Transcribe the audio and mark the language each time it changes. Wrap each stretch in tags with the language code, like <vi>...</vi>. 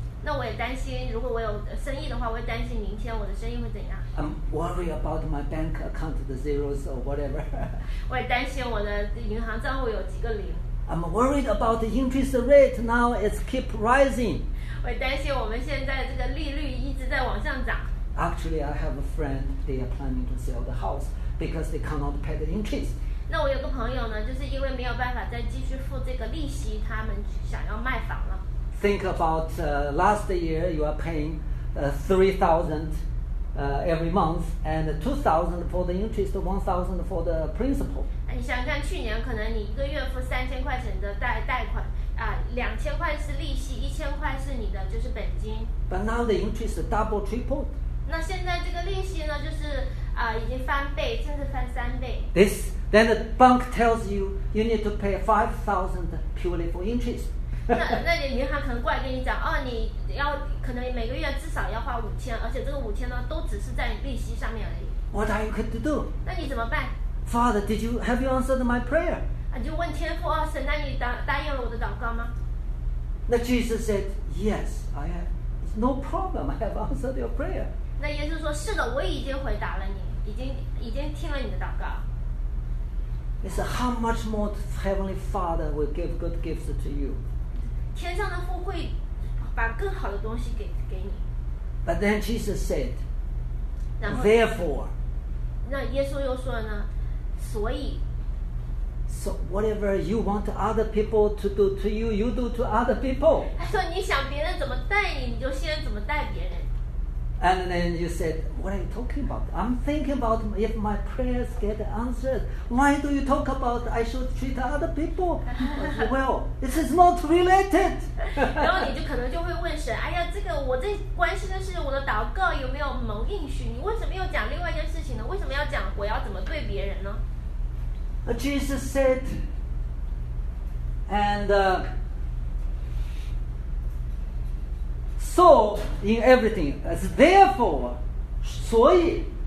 <zh>那我也担心如果我有生意的话，我会担心明天我的生意会怎样。</zh> <en>I'm worry about my bank account, the zeros or whatever.</en> <zh>我也担心我的银行账户有几个零。</zh> <en>I'm worried about the interest rate now it's keep rising.</en> <zh>我担心我们现在这个利率一直在往上涨。</zh> <en>Actually, I have a friend, they are planning to sell the house because they cannot pay the interest.</en> <zh>那我有个朋友呢，就是因为没有办法再继续付这个利息，他们想要卖房了。</zh> <en>Think about last year you are paying $3,000every month and $2,000 for the interest, $1,000 for the principal.</en> <zh>你想想看，去年可能你一个月付3000块钱的贷款，2000块是利息，1000块是你的就是本金。</zh> <en>But now the interest double, triple.</en> <zh>那现在这个利息呢，就是已经翻倍，甚至翻3倍。</zh> <en>This then the bank tells you you need to pay $5,000 purely for interest.</en> <zh>那银行可能过来跟你讲，哦，你要可能每个月至少要花5000，而且这个5000呢，都只是在利息上面而已。</zh> <en>What are you going to do?</en> <zh>那你怎么办？</zh> <en>Father, did you have you answered my prayer?</en> <zh>就问天父啊，神，那你答应了我的祷告吗？</zh> <en>那 Jesus said, Yes, I have. It's no problem. I have answered your prayer.</en> <zh>那耶稣说，是的，我已经回答了你，已经听了你的祷告。</zh> <en>It's how much more Heavenly Father will give good gifts to you.</en> <zh>天上的父会把更好的东西给你。</zh> <en>But then Jesus said, Therefore.</en> <zh>那耶稣又说了呢？</zh> <en>So whatever you want other people to do to you, you do to other people.</en> <zh>他说你想别人怎么待你，你就先怎么待别人。</zh> <en>And then you said, "What are you talking about? I'm thinking about if my prayers get answered. Why do you talk about I should treat other people? Well, this is not related."</en> <zh>然后你就可能就会问神，哎呀，这个我最关心的是我的祷告有没有蒙应许？你为什么又讲另外一件事情呢？为什么要讲我要怎么对别人呢？</zh> <en>Jesus said, and so in everything, as therefore,</en> <zh>所以</zh>